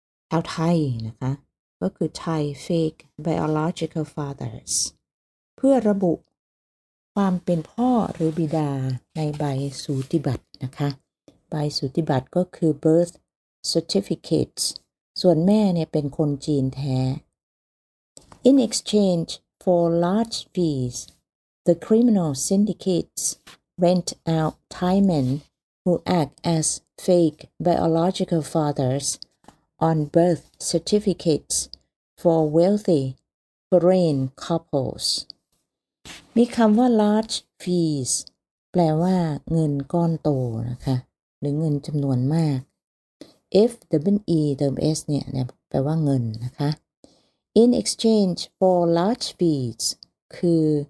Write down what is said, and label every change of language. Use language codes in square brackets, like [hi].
[th] ชาวไทยนะคะก็คือ [en] Thai fake biological fathers [th] เพื่อระบุความเป็นพ่อหรือบิดาในใบสูติบัตรนะคะใบสุติบัติก็คือ [en] birth certificates [th] ส่วนแม่เนี่ยเป็นคนจีนแท้ [en] In exchange for large fees the criminal syndicates rent out Thai men who act as fake biological fathers on birth certificates for wealthy foreign couples. [th] มีคำว่า [en] large fees [th] แปลว่าเงินก้อนโตนะคะหรือเงินจำนวนมาก FWE เติม S เนี่ยแปลว่าเงินนะคะ [en] In exchange for large fees [th] คือ